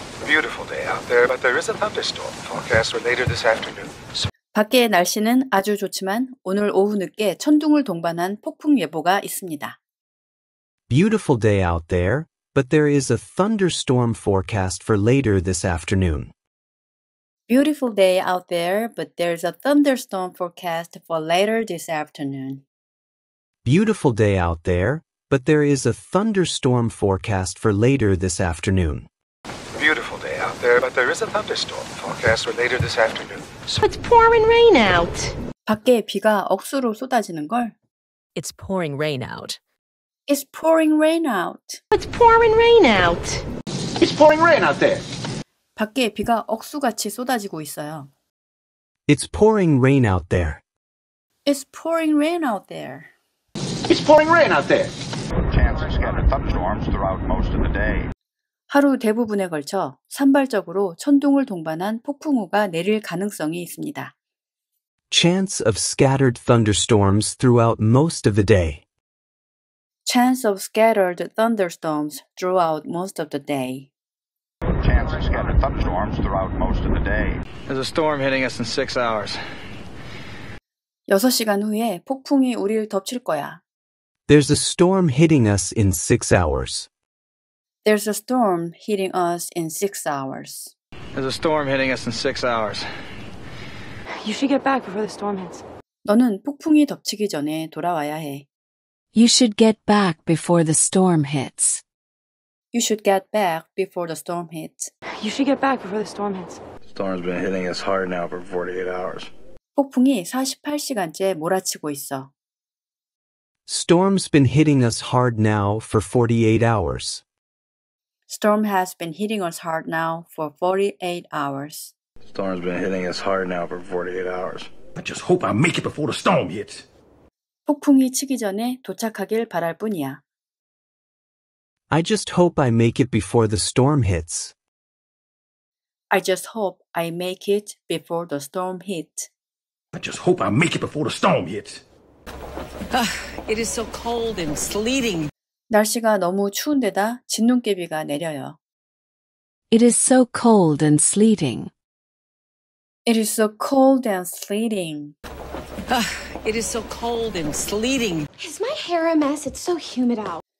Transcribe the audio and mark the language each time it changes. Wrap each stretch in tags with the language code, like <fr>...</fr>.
<en>Beautiful day out there, but there is a thunderstorm forecast for later this afternoon.</en> <ko>밖에 날씨는 아주 좋지만 오늘 오후 늦게 천둥을 동반한 폭풍 예보가 있습니다.</ko> <en>Beautiful day out there, but there is a thunderstorm forecast for later this afternoon. Beautiful day out there, but there's a thunderstorm forecast for later this afternoon. Beautiful day out there, but there is a thunderstorm forecast for later this afternoon. Beautiful day out there, but there is a thunderstorm forecast for later this afternoon. So it's pouring rain out.</en> <ko>밖에 비가 억수로 쏟아지는 걸.</ko> <en>It's pouring rain out. It's pouring rain out. It's pouring rain out. It's pouring rain out there.</en> <ko>밖에 비가 억수같이 쏟아지고 있어요.</ko> <en>It's pouring rain out there. It's pouring rain out there. It's pouring rain out there. Chance of scattered thunderstorms throughout most of the day.</en> <ko>하루 대부분에 걸쳐 산발적으로 천둥을 동반한 폭풍우가 내릴 가능성이 있습니다.</ko> <en>Chance of scattered thunderstorms throughout most of the day. Chance of scattered thunderstorms throughout most of the day. Chance of scattered thunderstorms throughout most of the day. There's a storm hitting us in 6 hours.</en> <ko>6시간 후에 폭풍이 우리를 덮칠 거야.</ko> <en>There's a storm hitting us in 6 hours. There's a storm hitting us in 6 hours. There's a storm hitting us in 6 hours. You should get back before the storm hits.</en> <ko>너는 폭풍이 덮치기 전에 돌아와야 해.</ko> <en>You should get back before the storm hits. You should get back before the storm hits. You should get back before the storm hits. Storm's been hitting us hard now for 48 hours.</en> <ko>폭풍이 48시간째 몰아치고 있어.</ko> <en>Storm's been hitting us hard now for 48 hours. Storm has been hitting us hard now for 48 hours. Storm's been hitting us hard now for 48 hours. I just hope I make it before the storm hits.</en> <ko>폭풍이 치기 전에 도착하길 바랄 뿐이야.</ko> <en>I just hope I make it before the storm hits. I just hope I make it before the storm hits. I just hope I make it before the storm hits. It is so cold and sleeting.</en> <ko>날씨가 너무 추운데다 진눈깨비가 내려요.</ko> <en>It is so cold and sleeting. It is so cold and sleeting. It is so cold and sleeting. Is my hair a mess? It's so humid out.</en>